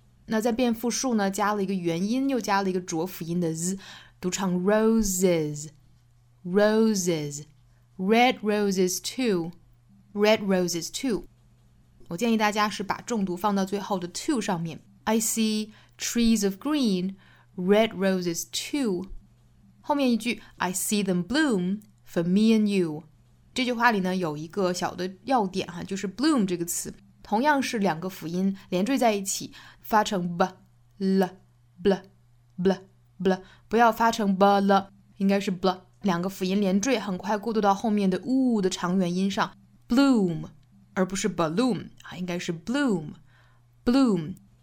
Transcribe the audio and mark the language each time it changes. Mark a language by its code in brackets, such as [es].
[zh] 那在变复数呢，加了一个元音，又加了一个浊辅音的 z， 读成 roses， roses， [en] red roses too， red roses too。 [zh] 我建议大家是把重读放到最后的 too 上面。 [en] I see trees of green, red roses too。 [zh] 后面一句 [en] I see them bloom for me and you。 [zh] 这句话里呢有一个小的要点哈，就是 bloom 这个词。同样是两个辅音连缀在一起，发成 b l b b b， 不要发成 b l， 应该是 b， 两个辅音连缀，很快过渡到后面的 u 的长元音上 ，bloom， 而不是 balloon 啊，应该是 bloom， bloom。